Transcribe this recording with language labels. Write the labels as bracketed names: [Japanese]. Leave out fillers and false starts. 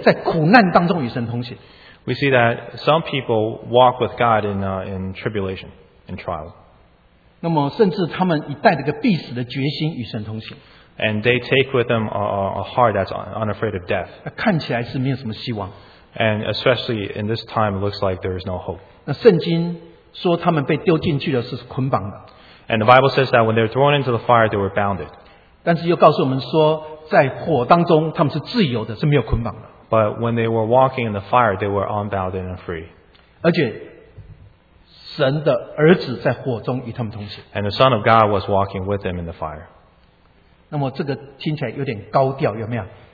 [English] We see that some people walk with God in tribulation, in trial. [Chinese] 那么甚至他们一带着个必死的决心与神同行。 [English] And they take with them a heart that's unafraid of death. [Chinese] 看起来是没有什么希望。 [English] And especially in this time, it looks like there is no hope. [Chinese] 那圣经说他们被丢进去的是捆绑的。 [English] And the Bible says that when they were thrown into the fire, they were bounded. [Chinese] 但是又告诉我们说, 在火当中他们是自由的, 是没有捆绑的。 [English] But when they were walking in the fire, they were unbounded and free. [Chinese] 而且神的儿子在火中与他们同行。 [English] And the Son of God was walking with them in the fire. [Chinese] 那么这个听起来有点高调，有没有？